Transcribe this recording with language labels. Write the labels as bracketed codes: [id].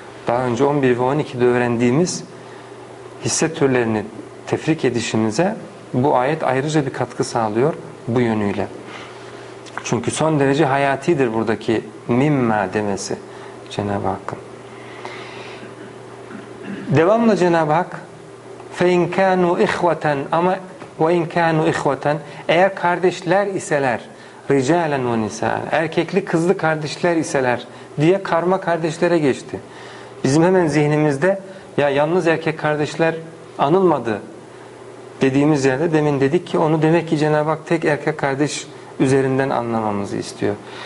[tr] Daha önce 11 ve 12'de öğrendiğimiz hisse türlerini tefrik edişimize bu ayet ayrıca bir katkı sağlıyor bu yönüyle. Çünkü son derece hayatidir buradaki mimma demesi Cenab-ı Hakk'ın. Devamlı Cenab-ı Hak [ar] فَاِنْ كَانُوا اِخْوَةً اَمَا وَاِنْ كَانُوا اِخْوَةً. [tr] Eğer kardeşler iseler, [ar] رِجَالًا وَنِسَاءً, [tr] erkekli kızlı kardeşler iseler diye karma kardeşlere geçti. Bizim hemen zihnimizde ya yalnız erkek kardeşler anılmadı dediğimiz yerde demin dedik ki onu demek ki Cenab-ı Hak tek erkek kardeş üzerinden anlamamızı istiyor.